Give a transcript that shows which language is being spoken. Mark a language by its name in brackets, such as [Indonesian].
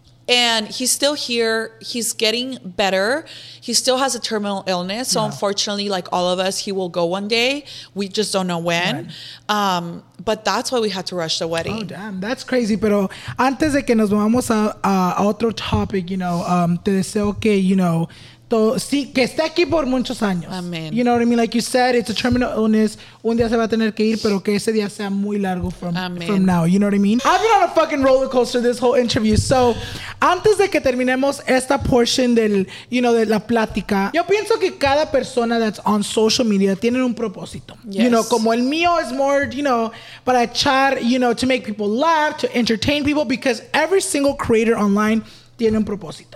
[English] And he's still here. He's getting better. He still has a terminal illness. So unfortunately, like all of us, he will go one day. We just don't know when. Right. But that's why we had to rush the wedding. Oh, damn. That's crazy. [Spanish] Pero antes de que nos vamos a otro topic, [English] you know, [Spanish] te deseo que, you know, que esté aquí por muchos años. [English] Amen. You know what I mean? Like you said, it's a terminal illness. [Spanish] Un día se va a tener que ir, pero que ese día sea muy largo [English] from now. You know what I mean? I've been on a fucking roller coaster this whole interview. [Spanish] So, antes de que terminemos esta portion del, you know, de la plática, yo pienso que cada persona [English] that's on social media [Spanish] tienen un propósito. [English] Yes. You know, [Spanish] como el mío [English] is more, you know, [Spanish] para echar, [English] you know, to make people laugh, to entertain people, because every single creator online [Spanish] tienen un propósito.